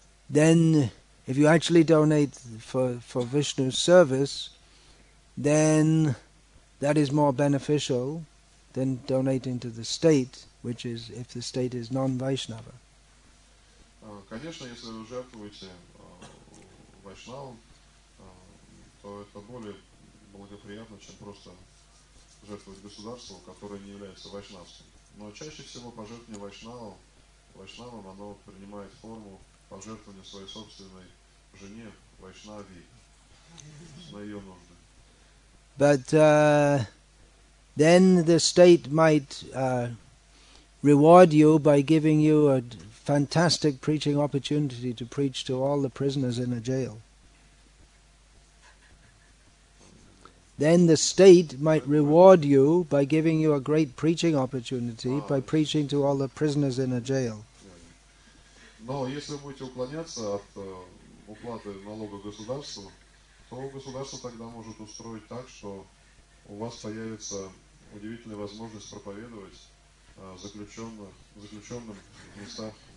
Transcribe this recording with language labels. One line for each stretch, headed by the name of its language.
English: Then if you actually donate for Vishnu's service, then that is more beneficial than donating to the state, which is if the state is non-Vaishnava.
Russian: Конечно, если вы жертвуете Вайшнавам, то это более благоприятно, чем просто жертвовать государству, которое не является вайшнавским. Но чаще всего пожертвование Вайшнавам, оно принимает форму пожертвования своей собственной жене Вайшнави на ее нужды.
English: But then the state might reward you by giving you a fantastic preaching opportunity to preach to all the prisoners in a jail. Then the state might reward you by giving you a great preaching opportunity by preaching to all the prisoners in a jail.
Russian: Но если вы будете уклоняться от уплаты налога государству, то государство тогда может устроить так, что у вас появится удивительная возможность проповедовать заключенным в местах.